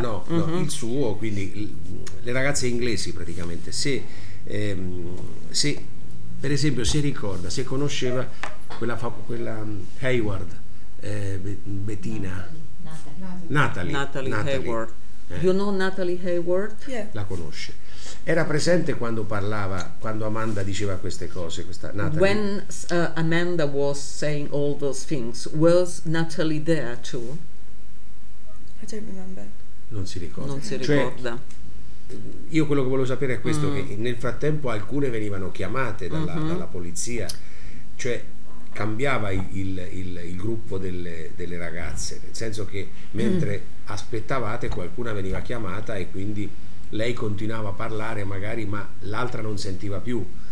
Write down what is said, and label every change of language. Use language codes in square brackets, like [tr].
[it] No, il suo, quindi le ragazze inglesi praticamente, se per esempio si ricorda, se conosceva quella Hayward, Bettina, Natalie. [en] Natalie Hayward. You know Natalie Hayward? Yeah. [it] La conosce. Era presente quando parlava, quando Amanda diceva queste cose, questa Natalie. [en] When Amanda was saying all those things, was Natalie there too? I don't remember. [it] Non si ricorda. Non si ricorda. Cioè, io quello che volevo sapere è questo, che nel frattempo alcune venivano chiamate dalla, dalla polizia, cioè cambiava il gruppo delle ragazze, nel senso che mentre aspettavate qualcuna veniva chiamata e quindi lei continuava a parlare magari, ma l'altra non sentiva più.